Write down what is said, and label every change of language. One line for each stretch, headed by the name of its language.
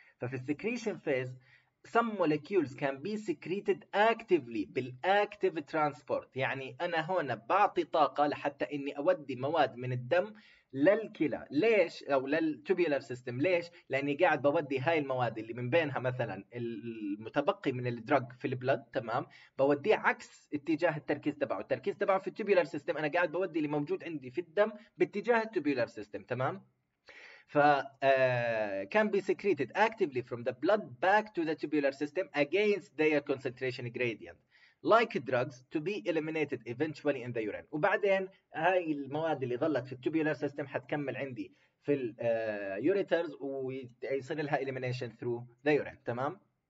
Arabic: ففي السكريشن فيز
English: some molecules can be secreted actively
Arabic: بالactive transport يعني انا هنا بعطي طاقه لحتى اني اودي مواد من الدم للكلى ليش او للتوبولار سيستم ليش لاني قاعد بودي هاي المواد اللي من بينها مثلا المتبقي من الدرج في البلد تمام بوديه عكس اتجاه التركيز تبعه. التركيز تبعه في التوبولار سيستم انا قاعد بودي اللي موجود عندي في الدم باتجاه التوبولار سيستم تمام.
English: ف can be secreted actively from the blood back to the tubular system against their concentration gradient like drugs to be eliminated eventually in the urine.
Arabic: وبعدين هاي المواد اللي ظلت في التوبولار سيستم حتكمل عندي في اليوريترز ويصير لها
English: elimination through the urine
Arabic: تمام.